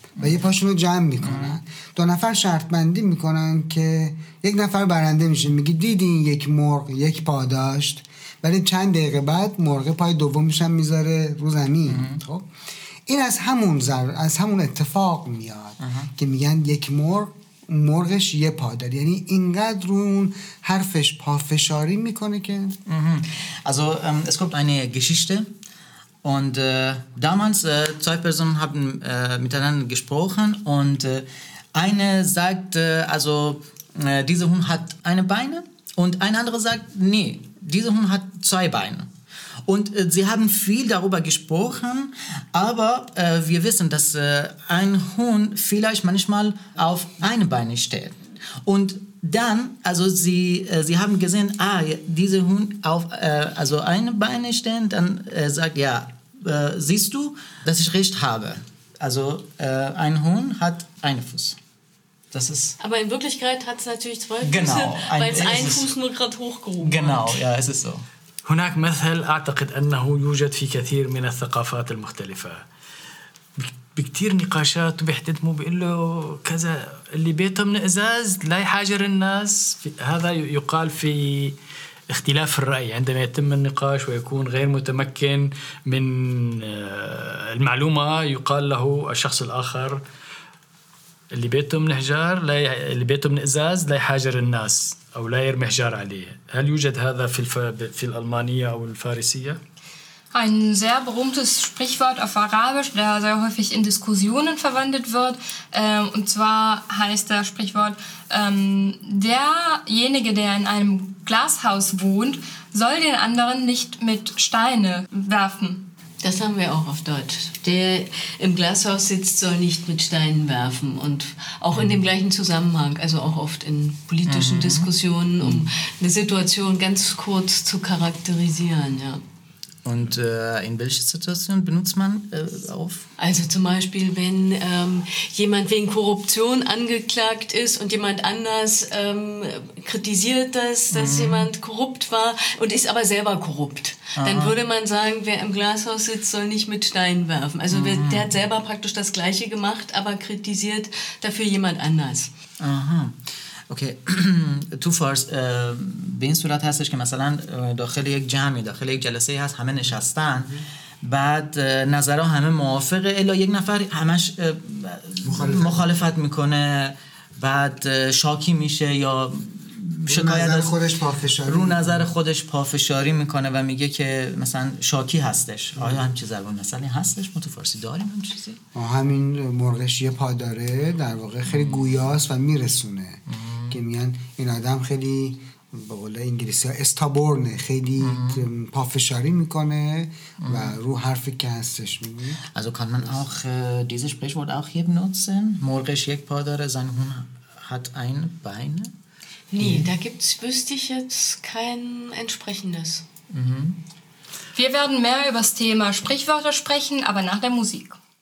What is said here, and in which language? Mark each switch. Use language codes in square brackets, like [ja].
[fa] و یه پاشون رو جمع میکنن، دو نفر شرط بندی میکنن که یک نفر برنده میشه، میگی دیدین یک مرغ یک پا داشت، ولی چند دقیقه بعد مرغ پای دومش هم میذاره رو زمین. خب این از همون از همون اتفاق میاد که میگن یک مرغ مرغش یه پا داره، یعنی اینقدر رو اون حرفش پا فشاری میکنه که از اس کوپ اینه گشیشته [de] und damals zwei Personen haben miteinander gesprochen und eine sagt also diese Hund hat eine Beine und ein anderer sagt nee, diese Hund hat zwei Beine und sie haben viel darüber gesprochen, aber wir wissen, dass ein Hund vielleicht manchmal auf eine Beine steht und dann also sie haben gesehen, ah, diese Hund auf also eine Beine stehen, dann sagt ja, siehst du, dass ich recht habe? Also ein Huhn hat einen Fuß. Das ist. Aber in Wirklichkeit hat es natürlich zwei Füße, genau, weil es einen Fuß nur gerade hochgehoben. Genau, ja, es ist so. [ar] هناك مثل أعتقد أنه يوجد في كثير من الثقافات المختلفة. بكتير نقاشات وبيحتدموا بيقولوا كذا اللي بيته من إزاز لا يحاجر الناس. هذا يقال في اختلاف الرأي عندما يتم النقاش ويكون غير متمكن من المعلومة يقال له الشخص الآخر اللي بيته من حجار لا اللي بيته من إزاز لا يحاجر الناس أو لا يرمي حجار عليه. هل يوجد هذا في في الألمانية أو الفارسية؟ [de] Ein sehr berühmtes Sprichwort auf Arabisch, der sehr häufig in Diskussionen verwendet wird, und zwar heißt das Sprichwort, derjenige, der in einem Glashaus wohnt, soll den anderen nicht mit Steine werfen. Das haben wir auch auf Deutsch. Der im Glashaus sitzt, soll nicht mit Steinen werfen. Und auch in dem gleichen Zusammenhang, also auch oft in politischen Diskussionen, um eine Situation ganz kurz zu charakterisieren, ja. Und in welcher Situation benutzt man auf? Also zum Beispiel, wenn jemand wegen Korruption angeklagt ist und jemand anders kritisiert das, dass jemand korrupt war und ist aber selber korrupt. Aha. Dann würde man sagen, wer im Glashaus sitzt, soll nicht mit Steinen werfen. Also der hat selber praktisch das Gleiche gemacht, aber kritisiert dafür jemand anders. Aha. [fa] اوکی تو فارس به این صورت هستش که مثلا داخل یک جمعی داخل یک جلسه هست، همه نشستن، بعد نظرها همه موافقه الا یک نفر همش مخالفت میکنه، بعد شاکی میشه یا شکایت نظر خودش پافشاری رو نظر خودش پافشاری میکنه و میگه که مثلا شاکی هستش. آیا همچی زبان مثلی هستش؟ ما تو فارسی داریم همچیزی؟ همین مرغش یه پا داره در واقع خیلی گویاست و میرسونه که میان این آدم خیلی به قول انگلیسی ها استابورنه، خیلی پافشاری میکنه و رو حرف که هستش میگه. [de] Also kann man auch dieses Sprichwort auch hier benutzen? Morgens ein paar da, sein Hund hat ein Bein. Nee, da gibt's, wüsste ich jetzt kein entsprechendes. Wir werden mehr über das Thema Sprichwörter sprechen, aber nach der Musik.